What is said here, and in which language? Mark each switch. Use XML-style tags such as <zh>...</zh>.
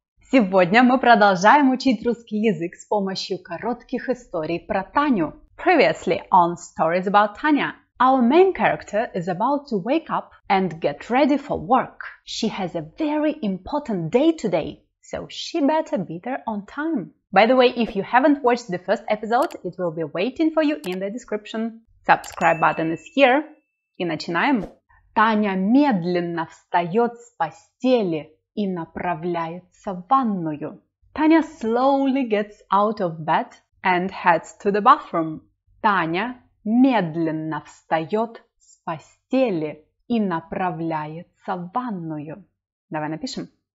<ru>Сегодня мы продолжаем учить русский язык с помощью коротких историй про Таню.</ru> <en>Previously on Stories about Tanya, our main character is about to wake up and get ready for work. She has a very important day today, so she better be there on time. By the way, if you haven't watched the first episode, it will be waiting for you in the description. Subscribe button is here.</en> <ru>И начинаем! Таня медленно встает с постели и направляется в ванную.</ru> <en>Таня slowly gets out of bed and heads to the bathroom.</en> <ru>Таня медленно встает с постели и направляется в ванную. Давай напишем.</ru>